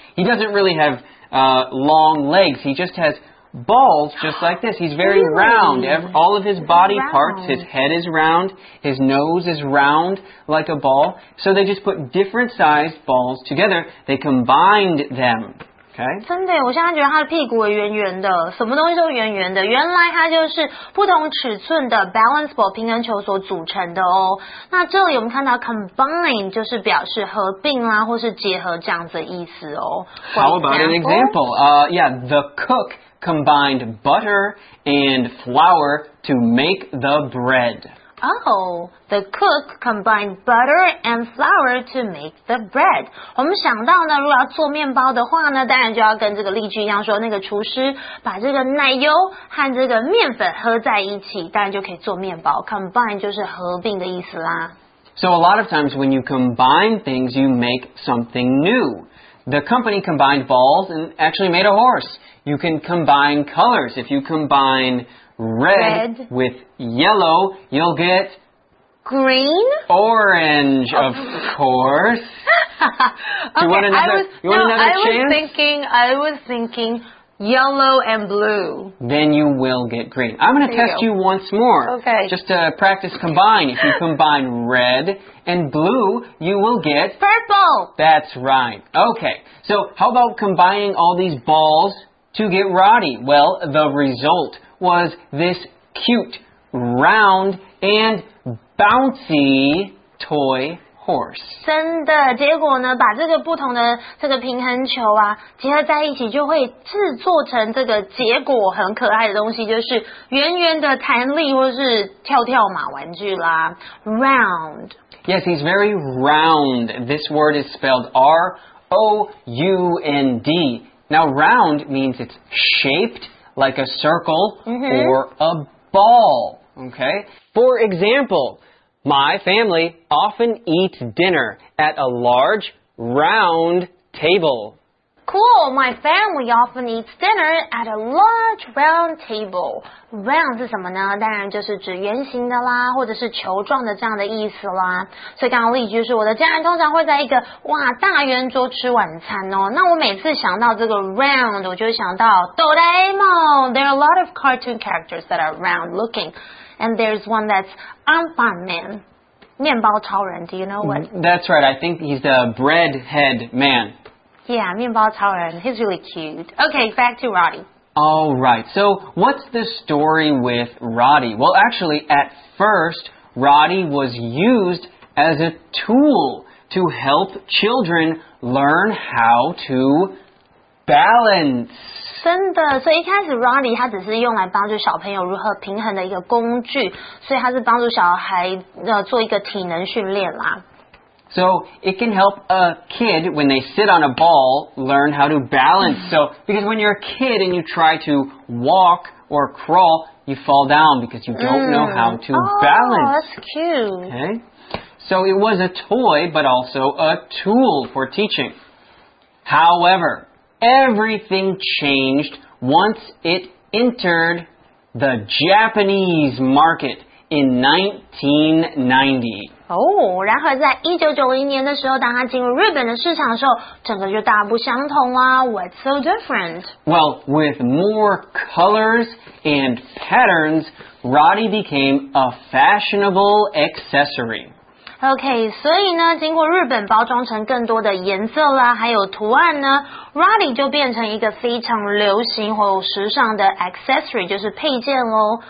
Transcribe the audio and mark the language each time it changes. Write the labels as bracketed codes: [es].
[en] He doesn't really have long legs. He just has balls just like this. He's very round. All of his body parts, his head is round, his nose is round like a ball. So they just put different sized balls together. They combined them. Okay. [zh] 真的，我现在觉得他的屁股也圆圆的，什么东西都圆圆的。原来他就是不同尺寸的 balance ball 平衡球所组成的哦。那这里我们看到 combine 就是表示合并啦，或是结合这样子的意思哦。 [en] How about an example? The cook combined butter and flour to make the bread. Oh, the cook combined butter and flour to make the bread. [zh] 我们想到呢，如果要做面包的话呢，当然就要跟这个例句一样说，那个厨师把这个奶油和这个面粉合在一起，当然就可以做面包。 Combine 就是合并的意思啦。 [en] So a lot of times when you combine things, you make something new. The company combined balls and actually made a horse. You can combine colors. If you combine red with yellow, you'll get green? Orange, of course. Okay, you want another, I was thinking, yellow and blue. Then you will get green. I'm going to test you once more. Okay. Just to practice combine. If you combine red and blue, you will get purple. That's right. Okay. So how about combining all these balls to get Roddy? Well, the result was this cute, round, and bouncy toy horse. [zh] 真的，结果呢，把这个不同的这个平衡球啊结合在一起，就会制作成这个结果很可爱的东西，就是圆圆的弹力或是跳跳马玩具啦。 [en] Round. Yes, he's very round. This word is spelled R-O-U-N-D. Now, round means it's shaped like a circle or a ball. Okay. For example,My family often eats dinner at a large, round table. Cool, my family often eats dinner at a large, round table. [zh] Round 是什么呢？当然就是指圆形的啦，或者是球状的这样的意思啦。所以刚刚例句是我的家人通常会在一个哇大圆桌吃晚餐哦。那我每次想到这个 round， 我就想到哆啦 A 梦。 [en] There are a lot of cartoon characters that are round looking. And there's one that's Anpan Man, 面包超人 do you know what? That's right, I think he's the bread head man. Yeah, 面包超人 he's really cute. Okay, back to Roddy. All right, so what's the story with Roddy? Well, actually, at first, Roddy was used as a tool to help children learn how to balance. [zh] 真的，所以一开始 Roddy 他只是用来帮助小朋友如何平衡的一个工具，所以他是帮助小孩做一个体能训练啦。 [en] So it can help a kid when they sit on a ball learn how to balance. So because when you're a kid and you try to walk or crawl, you fall down because you don't know how to balance. Oh, that's cute. Okay. So it was a toy, but also a tool for teaching. However. Everything changed once it entered the Japanese market in 1990. [zh] Oh, 然后在1991年的时候，当它进入日本的市场的时候，整个就大不相同啦。 [en] What's so different? Well, with more colors and patterns, Roddy became a fashionable accessory. [zh] Okay, 所以呢，经过日本包装成更多的颜色啦，还有图案呢 ，Roddy 就变成一个非常流行或时尚的 accessory， 就是配件咯。